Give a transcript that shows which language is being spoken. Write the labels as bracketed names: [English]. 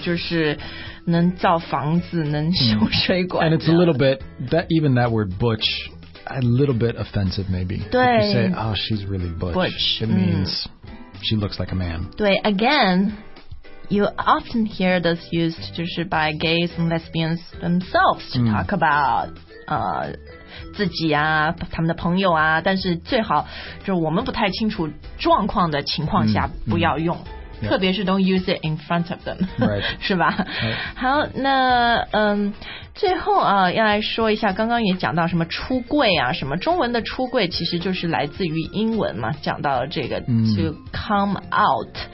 [Chinese] 就是能造房子能修水管、 [English] and it's a little bit that even that word butch a little bit offensive maybe [Chinese] 对 [English] if you say oh she's really butch it means、She looks like a man. [Chinese] 对 [English] again, you often hear this used just by gays and lesbians themselves to talk about [Chinese] 自己啊，他们的朋友啊，但是最好就是我们不太清楚状况的情况下不要用。特别是 [English] don't use it in front of them、 right. [Chinese] 是吧、 [English] right. [Chinese] 好那最后啊要来说一下刚刚也讲到什么出柜啊什么中文的出柜其实就是来自于英文嘛讲到这个、 [English] to come out